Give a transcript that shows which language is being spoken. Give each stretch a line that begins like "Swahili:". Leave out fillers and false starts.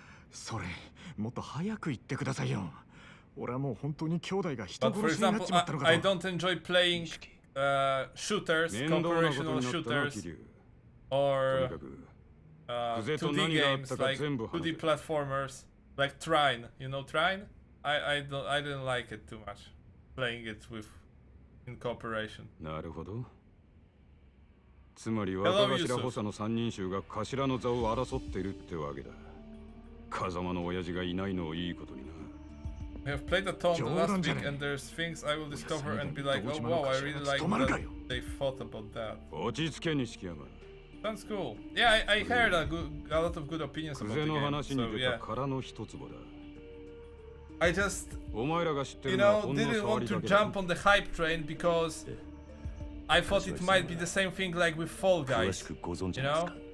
Japanese: それもっと早く言ってくださいよ。俺はもう本当に兄弟が人殺しになっちまったのかと。
English: But for example, I don't enjoy playing shooters, conversational shooters, or 2D games, like 2D platformers, like Trine. You know Trine? I didn't like it too much, playing it with in cooperation.
Japanese: つまり若頭補佐の3人衆が頭の座を争っているってわけだ。風間の親父がいないのをいいことにな。
English: We have played a tome last week and there's things I will discover and be like, oh wow, I really like that they thought about that. Sounds cool. Yeah, I heard a lot of good opinions about the game, so yeah. I just, you know, didn't want to jump on the hype train because I thought it might be the same thing like with Fall Guys, you know?